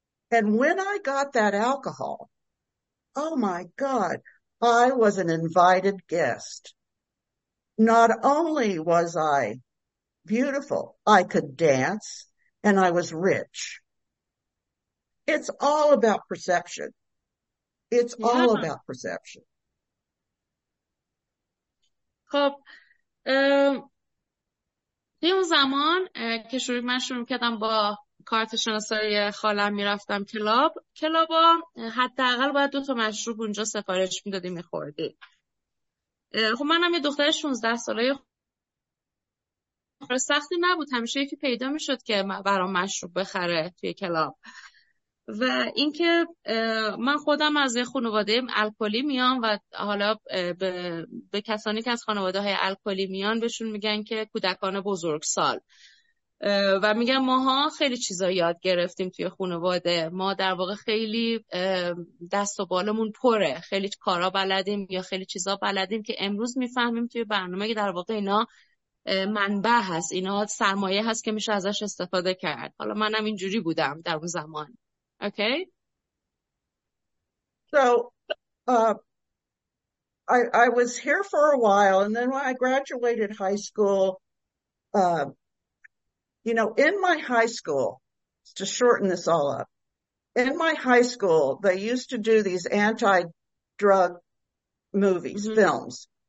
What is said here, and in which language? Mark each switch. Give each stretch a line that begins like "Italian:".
English: And when I got that alcohol, oh my God, I was an invited guest. Not only was I beautiful, I could dance and I was rich. It's all about perception. It's Yeah. all about perception.
Persian: خب اون زمان که شروع من شروع کردم با کارت شناسایی خالم میرفتم کلابا حداقل باید دو تا مشروب اونجا سفارش میدادی میخوردی. خب منم یه دختر 16 ساله سختی نبود، همیشه یکی پیدا میشد که برام مشروب بخره توی کلاب و اینکه من خودم از یه خانواده الکلی میام و حالا به کسانی که از خانواده های الکلی میان بهشون میگن که کودکان بزرگسال و میگن ماها خیلی چیزا یاد گرفتیم توی خانواده، ما در واقع خیلی دست و بالمون پره، خیلی کارا بلدیم یا خیلی چیزا بلدیم که امروز میفهمیم توی برنامه که در واقع اینا منبع هست، اینا سرمایه هست که میشه ازش استفاده کرد. حالا منم اینجوری بودم در اون زمان.
English: Okay So, I was here for a while, and then when I graduated high school, in my high school, to shorten this all up, In my high school, they used to do these anti-drug movies, films.